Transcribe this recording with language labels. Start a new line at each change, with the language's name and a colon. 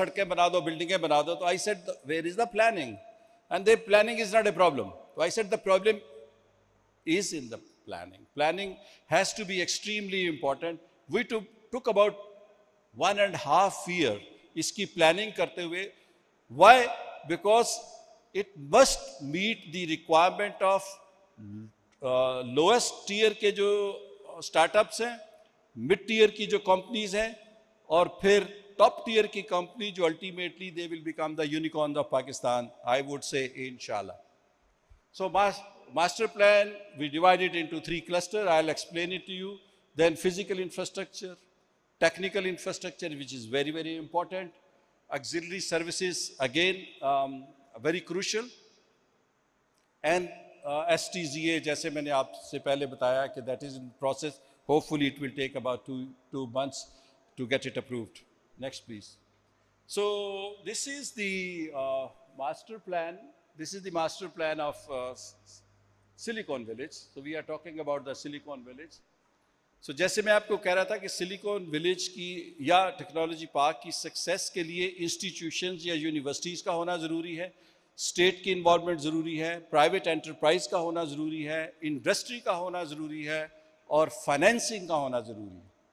Hindi: सड़कें बना दो, बिल्डिंगें बना दो. तो
English: I said where is the planning and the planning is not a problem. तो I said the problem is in the planning. Planning has to be extremely important. We took about 1.5 years
Hindi: iski planning karte hue.
English: Why? Because it must meet the requirement of lowest tier
Hindi: ke jo startups hain,
English: mid tier
Hindi: ki jo companies hain, aur phir
English: top tier
Hindi: ki company jo
English: ultimately they will become the unicorns of Pakistan, I would say, inshallah. So master plan, we divide it into 3 cluster. I'll explain it to you. Then physical infrastructure, technical infrastructure, which is very, very important. Auxiliary services, again, very crucial. And STZA,
Hindi: jaise maine aapse pehle bataya,
English: that is in process. Hopefully, it will take about two months to get it approved. Next, please. So this is the master plan. This is the master plan of Silicon Village. So we are talking about the Silicon Village.
Hindi: So, जैसे मैं आपको कह रहा था कि silicon village की या technology park की सक्सेस के लिए इंस्टीट्यूशंस या यूनिवर्सिटीज का होना जरूरी है, स्टेट की इन्वॉल्वमेंट जरूरी है, प्राइवेट एंटरप्राइज का होना जरूरी है, इंडस्ट्री का होना जरूरी है और फाइनेंसिंग का होना जरूरी है.